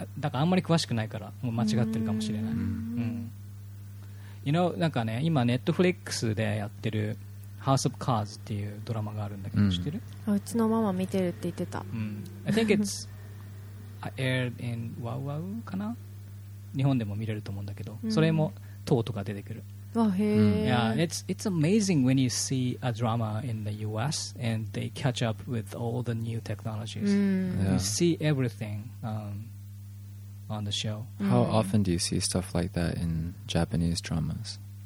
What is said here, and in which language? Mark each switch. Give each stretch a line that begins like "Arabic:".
Japanese: だからあんまり詳しくないから、もう間違ってるかもしれない。
English: You know,
Japanese: なんかね、今 Netflix でやってる House of Cards っていうドラマがあるんだけど、知ってる？うちのママ見てるって言ってた。
English: I think it's aired in Wow Wow
Japanese: かな？日本でも見れると思うんだけど、それも塔とか出てくる。わへえ。
English: Yeah, it's amazing when you see a drama in the U.S. and they catch up with all the new technologies. You see everything. On the show. How often do you see stuff like that in Japanese dramas?